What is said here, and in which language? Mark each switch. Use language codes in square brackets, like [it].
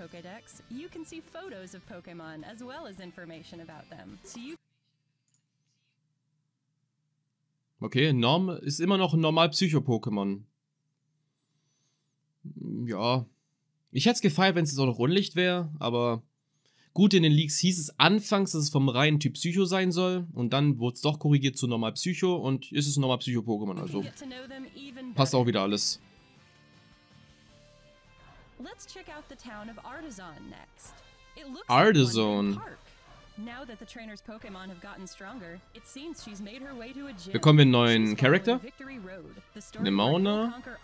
[en] Pokédex, you can see photos of Pokémon as well as information about them. So you... [de] Okay, ist immer noch ein normal Psycho-Pokémon. Ja. Ich hätte es gefeiert, wenn es jetzt auch noch Unlicht wäre, aber gut, in den Leaks hieß es anfangs, dass es vom reinen Typ Psycho sein soll und dann wurde es doch korrigiert zu normal Psycho und ist es normal Psycho-Pokémon, also passt auch wieder alles. [en] Let's check out the town of Artisan next. It looks Artisan. Now that the trainer's Pokémon have gotten stronger, it seems she's made her way to a gym. [de] Bekommen wir einen neuen Charakter? Nimona.